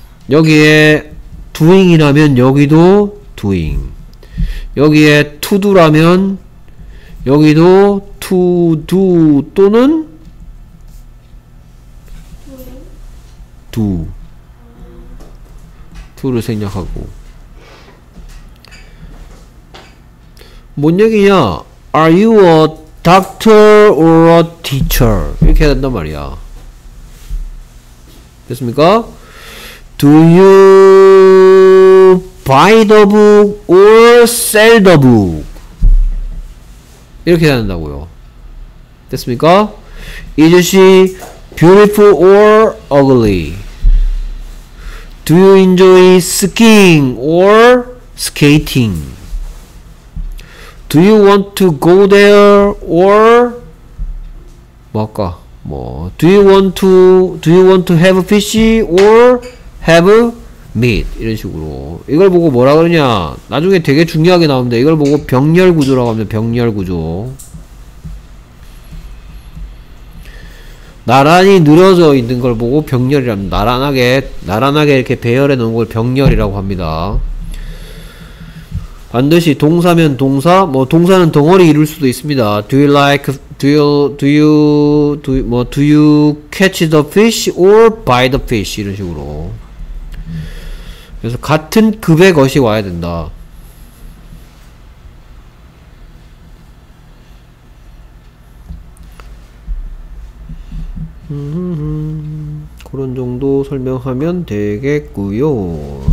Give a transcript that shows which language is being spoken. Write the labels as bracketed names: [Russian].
[Korean] 여기에 doing이라면 여기도 doing, 여기에 to do라면 여기도 to do 또는 do, to를 생략하고 뭔 얘기냐? [English] Are you a doctor or a teacher? [Korean] 이렇게 해야 된단 말이야. 됐습니까? [English] Do you buy the book or sell the book? [Korean] 이렇게 해야 된다고요. 됐습니까? [English] Is she beautiful or ugly? Do you enjoy skiing or skating? Do you want to go there or [Korean] 뭐 할까? 뭐 [English] do you want to have a fish or have meat [Korean] 이런 식으로 이걸 보고 뭐라 그러냐 나중에 되게 중요하게 나옵니다. 이걸 보고 병렬 구조라고 합니다. 병렬 구조 나란히 늘어져 있는 걸 보고 병렬이라면 나란하게 이렇게 배열해 놓은 걸 병렬이라고 합니다. 반드시 동사면 동사 뭐 동사는 덩어리 이룰 수도 있습니다. [English] Do you catch the fish or buy the fish [Korean] 이런 식으로. 그래서 같은 급의 것이 와야 된다. 그런 정도 설명하면 되겠고요.